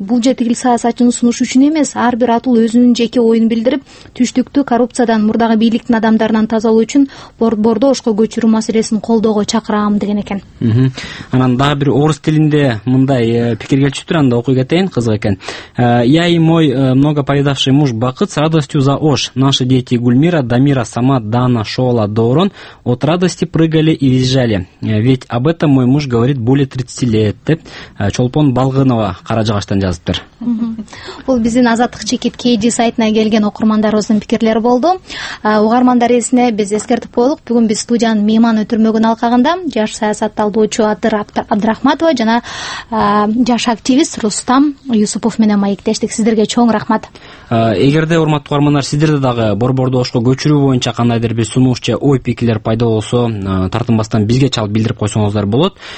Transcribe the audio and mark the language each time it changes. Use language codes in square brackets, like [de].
[ky] Бул же тигил саясатчынын сунушу үчүн эмес, ар бир атыл өзүнүн жеке оюн билдирип, түштүктү коррупциядан, мурдагы бийликтин адамдарынан тазалоо үчүн Борборду Ошко көчүрүү маселесин колдоого чакырам деген экен. Анан дагы бир орус тилинде мындай пикир келип түшүптүр, анда окуй кетейин, кызык экен. [ru] Я и мой много повидавший муж бакыт с радостью за Ош. Наши дети Гульмира, Дамира, Самат, Дана, Шола, Доурон от радости прыгали и визжали. Ведь об этом мой муж говорит более 30 лет, [ky] деп Чолпон Балгынова кара жагачтан жазыптыр. Бул биздин Азаттык Чекит KG сайтына келген окурмандарыбыздын пикирлери болду. Угармандар эсине биз эскертип коелук, бүгүн биз студиянын мейман өтүрмөгүн алкагында жаш саясат талдоочу Атыр Абдрахматова жана жаш активист Рустам Юсупов менен маектештик. Сиздерге чоң рахмат. Эгерде урматтуу угармандар, сиздерде дагы Борборду Ошко көчүрүү боюнча кандайдыр бир сунуш же ой пикирлер пайда болсо, тартынбастан бизге чалып билдирип койсоңуздар болот.